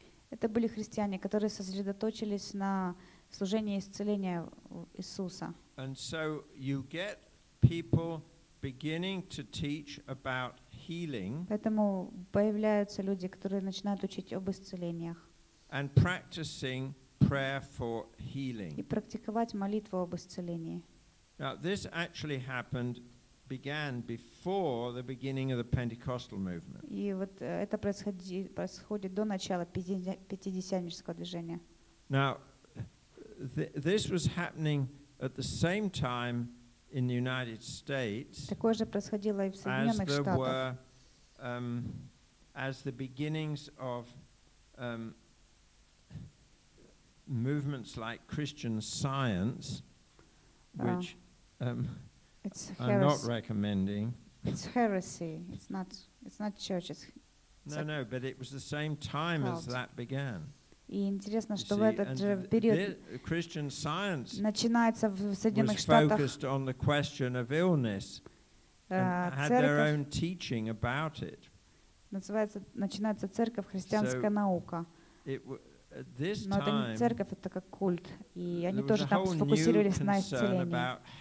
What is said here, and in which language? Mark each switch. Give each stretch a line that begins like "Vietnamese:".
Russian: Это были христиане, которые сосредоточились на служении исцеления Иисуса.
English: And so you get people beginning to teach about healing.
Russian: Поэтому появляются люди, которые начинают учить об исцелениях.
English: And practicing prayer for healing.
Russian: И практиковать молитву об исцелении.
English: Now this actually began before the beginning of the Pentecostal movement.
Russian: И вот это происходит до начала пятидесятнического движения.
English: Now this was happening at the same time in the United States.
Russian: Такое же происходило и в Соединенных Штатах.
English: As the beginnings of movements like Christian Science, which it's heresy. I'm not recommending. It's heresy. It's not church. No, but it was the same time as that began.
Russian: И интересно, что в этот же период начинается в Соединенных Штатах. Начинается церковь, христианская наука. Но это не церковь, это как культ. И они тоже там сфокусировались на исцелении.